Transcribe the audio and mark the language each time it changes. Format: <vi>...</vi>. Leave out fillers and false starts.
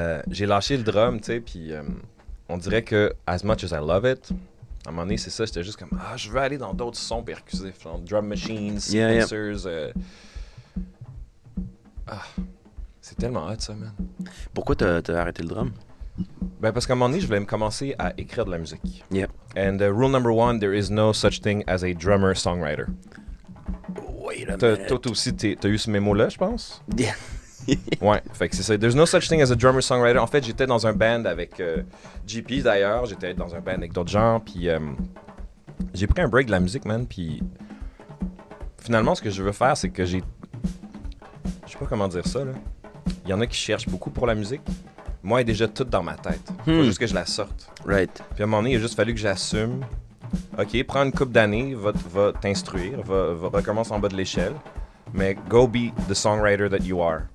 <fr>j'ai lâché le drum, tu sais, puis on dirait que</fr> <en>as much as I love it,</en> <fr>à un moment donné, c'est ça, j'étais juste comme, ah, je veux aller dans d'autres sons percussifs, genre drum machines, sequencers.</fr> <en>Yeah, yeah.</en> <fr>C'est tellement hot, ça, man. Pourquoi t'as arrêté le drum? Ben, parce qu'à un moment donné, je voulais commencer à écrire de la musique.</fr> <en>Yeah. And rule number one, there is no such thing as a drummer songwriter. Wait a minute.</en> <fr>Toi aussi, t'as eu ce mémo-là, je pense?</fr> <en>Yeah.</en> <fr>Ouais, fait que c'est ça.</fr> <en>There's no such thing as a drummer songwriter.</en> <fr>En fait, j'étais dans un band avec GP d'ailleurs. J'étais dans un band avec d'autres gens. Puis j'ai pris un break de la musique, man. Puis finalement, ce que je veux faire, c'est que j'ai. Je sais pas comment dire ça, là. Il y en a qui cherchent beaucoup pour la musique. Moi, elle est déjà toute dans ma tête. Faut juste que je la sorte.</fr> <en>Right.</en> <fr>Puis à un moment donné, il a juste fallu que j'assume. Ok, prends une couple d'années, va t'instruire, va recommencer en bas de l'échelle.</fr> <en>mais go be the songwriter that you are.</en>